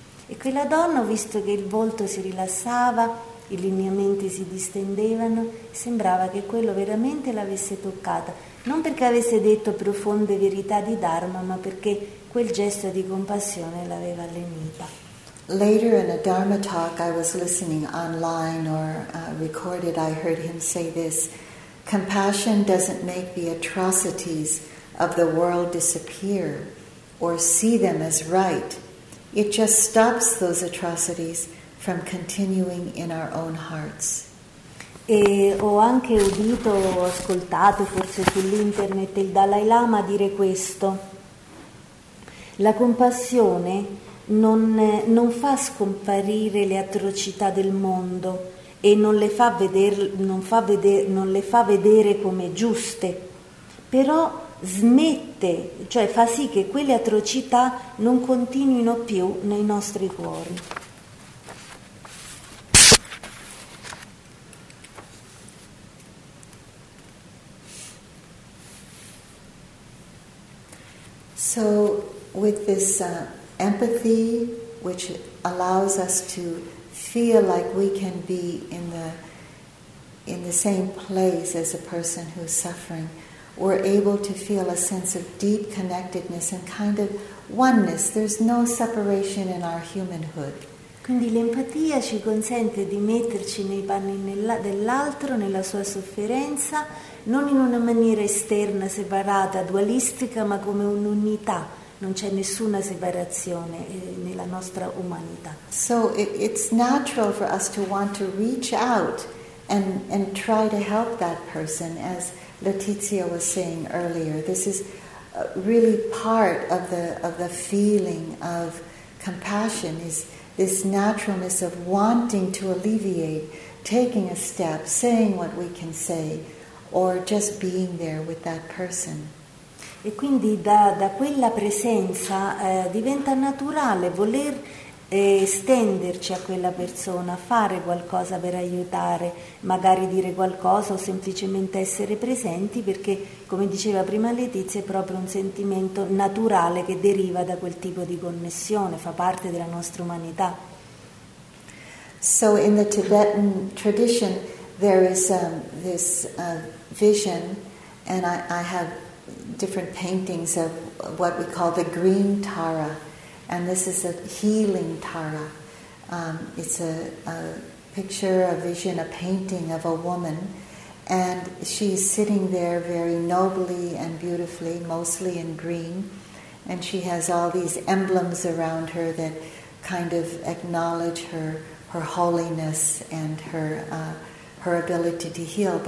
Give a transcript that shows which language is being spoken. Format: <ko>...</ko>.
<it>E quella donna, visto che il volto si rilassava, i lineamenti si distendevano, sembrava che quello veramente l'avesse toccata, non perché avesse detto profonde verità di Dharma, ma perché quel gesto di compassione l'aveva lenita.</it> <en>Later in a Dharma talk I was listening online or recorded, I heard him say this: compassion doesn't make the atrocities of the world disappear or see them as right. It just stops those atrocities from continuing in our own hearts.</en> <it>E ho anche udito, ho ascoltato forse sull'internet il Dalai Lama dire questo: la compassione non fa scomparire le atrocità del mondo e non le fa vedere come giuste, però smette, cioè fa sì che quelle atrocità non continuino più nei nostri cuori.</it> <en>So with this empathy, which allows us to feel like we can be in the same place as a person who's suffering, we're able to feel a sense of deep connectedness and kind of oneness. There's no separation in our humanhood.</en> <it>Quindi l'empatia ci consente di metterci nei panni dell'altro, nella sua sofferenza, non in una maniera esterna, separata, dualistica, ma come un'unità. Non c'è nessuna separazione nella nostra umanità.</it> <en>So it's natural for us to want to reach out and try to help that person, as Letizia was saying earlier. This is really part of the feeling of compassion, is this naturalness of wanting to alleviate, taking a step, saying what we can say, or just being there with that person.</en> <it>E quindi da quella presenza diventa naturale voler estenderci a quella persona, fare qualcosa per aiutare, magari dire qualcosa o semplicemente essere presenti, perché, come diceva prima Letizia, è proprio un sentimento naturale che deriva da quel tipo di connessione, fa parte della nostra umanità.</it> <en>So in the Tibetan tradition there is this vision, and I have different paintings of what we call the green Tara, and this is a healing Tara. It's a picture, a vision, a painting of a woman, and she's sitting there very nobly and beautifully, mostly in green, and she has all these emblems around her that kind of acknowledge her holiness and her ability to heal.</en>